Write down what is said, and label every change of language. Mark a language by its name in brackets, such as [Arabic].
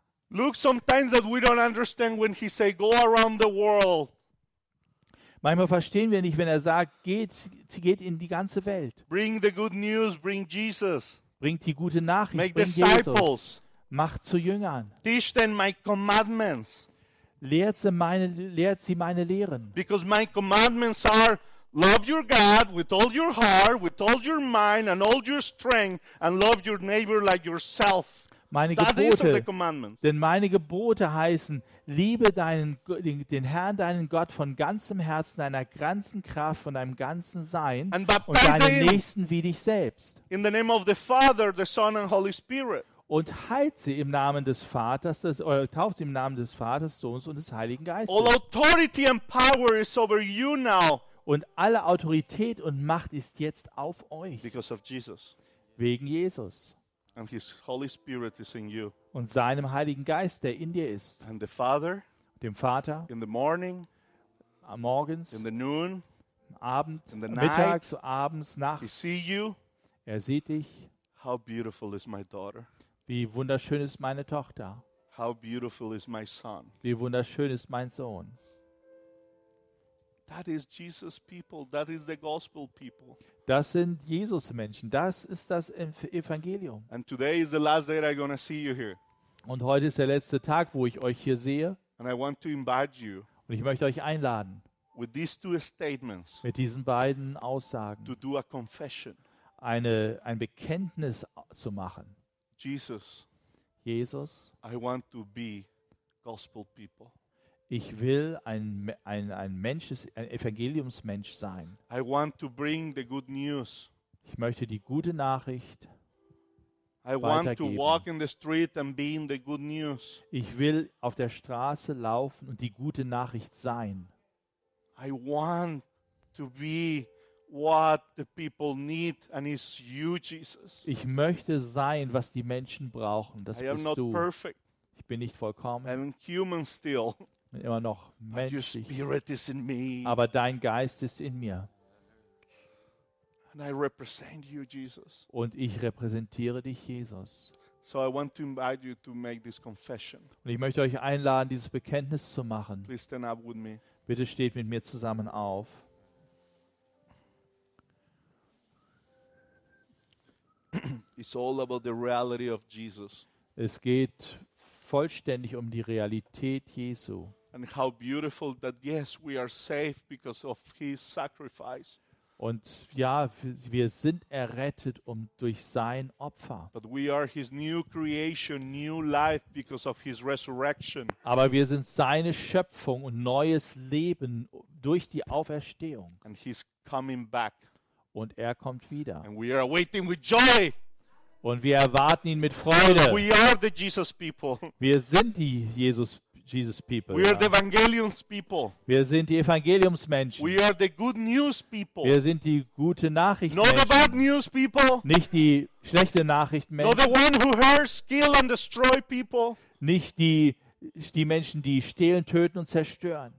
[English] Look, sometimes that we don't understand when he say go around the world. [German] Manchmal verstehen wir nicht, wenn er sagt, geht in die ganze Welt. [English] Bring the good news, bring Jesus. [German] Bringt die gute Nachricht, [English] make bring disciples. [German] Jesus. Macht zu Jüngern. [English] Teach them my commandments. [German] Lehrt sie meine Lehren. [English] Because my commandments are love your God with all your heart, with all your mind and all your strength and love your neighbor like yourself. [German] Meine Gebote, denn meine Gebote heißen, liebe den Herrn, deinen Gott von ganzem Herzen, deiner ganzen Kraft, von deinem ganzen Sein und deinen Nächsten wie dich selbst. [English] In the name of the Father, the Son and Holy Spirit. [German] Und heilt sie im Namen des Vaters, tauft sie im Namen des Vaters, Sohnes und des Heiligen Geistes. [English] All authority and power is over you now. [German] Und alle Autorität und Macht ist jetzt auf euch. [English] Because of Jesus. [German] Wegen Jesus. [English] And his Holy Spirit is in you. [German] Und seinem Heiligen Geist, der in dir ist. [English] And the Father, [German] dem Vater. [English] In the morning, [German] morgens. [English] In the noon, [German] Abend. [English] In the [German] mittags, [English] night, [German] abends, nachts. [English] He see you. [German] Er sieht dich. [English] How beautiful is my daughter. [German] Wie wunderschön ist meine Tochter. [English] How beautiful is my son. [German] Wie wunderschön ist mein Sohn. [English] That is Jesus people. That is the gospel people. [German] Das sind Jesus-Menschen. Das ist das Evangelium. [English] And today is the last day that I'm gonna see you here. [German] Und heute ist der letzte Tag, wo ich euch hier sehe. [English] And I want to invite you. [German] Und ich möchte euch einladen. [English] With these two statements. [German] Mit diesen beiden Aussagen. [English] To do a confession. [German] Ein Bekenntnis zu machen. [English] Jesus. I want to be gospel people. [German] Ich will ein Mensch, ein Evangeliumsmensch sein. [English] I want to bring the good news. [German] Ich möchte die gute Nachricht weitergeben. Ich will auf der Straße laufen und die gute Nachricht sein. [English] I want to be what the people need and it's you, Jesus. [German] Ich möchte sein, was die Menschen brauchen. Das [English] I [German] bist [English] am not [German] du. [English] Perfect. [German] Ich bin nicht vollkommen. [English] I'm human still. [German] Immer noch menschlich. [English] But your spirit is in me. [German] Aber dein Geist ist in mir. [English] And I represent you, Jesus. [German] Und ich repräsentiere dich, Jesus. [English] So I want to invite you to make this confession. [German] Und ich möchte euch einladen, dieses Bekenntnis zu machen. [English] Please stand up with me. [German] Bitte steht mit mir zusammen auf. [English] It's all about the reality of Jesus. [German] Es geht vollständig um die Realität Jesu. [English] And how beautiful that yes, we are saved because of his sacrifice. [German] Und ja, wir sind errettet um durch sein Opfer. [English] But we are his new creation, new life because of his resurrection. [German] Aber wir sind seine Schöpfung und neues Leben durch die Auferstehung. [English] And he's coming back. [German] Und er kommt wieder. [English] And we are waiting with joy. [German] Und wir erwarten ihn mit Freude. [English] We are the Jesus people. [German] Wir sind die Jesus people. [English] We are the Evangeliums people. [German] Wir sind die Evangeliumsmenschen. [English] We are the good news people. [German] Wir sind die gute Nachrichten. [English] Not the bad news people. [German] Nicht die schlechte Nachrichtenmenschen. [English] Not the one who hurts, kill and destroy people. [German] Nicht die Menschen, die stehlen, töten und zerstören.